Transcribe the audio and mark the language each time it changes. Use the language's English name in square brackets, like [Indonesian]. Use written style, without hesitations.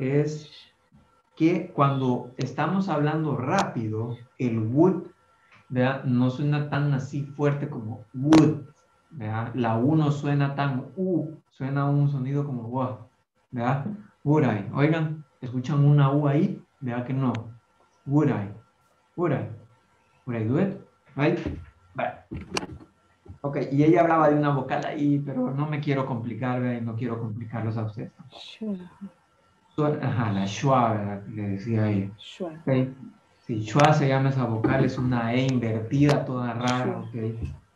[Spanish] Es que cuando estamos hablando rápido, el would, ¿verdad? No suena tan así fuerte como would, ¿verdad? La U no suena tan U, suena un sonido como U, ¿verdad? Would I, oigan, ¿escuchan una U ahí? ¿Verdad que no? [English] Would I, would I, would I do it? Right? [Spanish] Ok, y ella hablaba de una vocal ahí, pero no me quiero complicar, ¿verdad? No quiero complicarlos a ustedes. Sure. Ajá, la schwa, ¿verdad? Le decía ella. Schwa. [English] ¿Okay? [Spanish] Si sí, schwa se llama esa vocal, es una E invertida, toda rara, ¿ok?